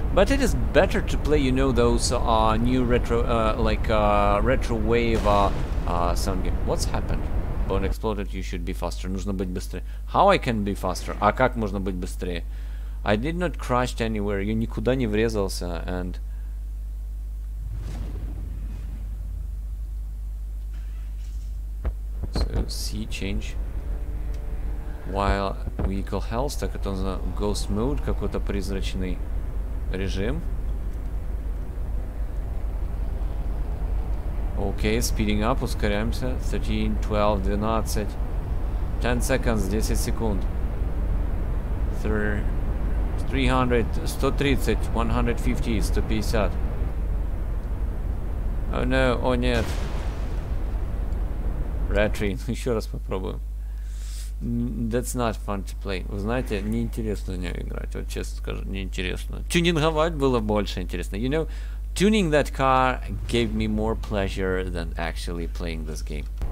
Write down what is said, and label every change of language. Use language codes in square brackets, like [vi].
[en] But it is better to play, you know, those new retro, retro wave sound game. What's happened? Bone exploded, you should be faster. [ru] Нужно быть быстрее. [en] How I can be faster? [ru] А как можно быть быстрее? [en] I did not crash anywhere. [ru] Я никуда не врезался. [en] And... So, C change. While vehicle health, [ru] так это за [en] ghost mode, [ru] какой-то призрачный режим. [en] Okay, speeding up, [ru] ускоряемся. [en] 13, 12, 12. 10 seconds, [ru] 10 секунд. [en] 300, 130, 150, 150. Oh no, oh нет. Retry, [ru] еще раз попробуем. [en] That's not fun to play. [ru] Вы знаете, неинтересно в нее играть. Вот честно скажу, неинтересно. Тюнинговать было больше интересно. [en] You know, tuning that car gave me more pleasure than actually playing this game.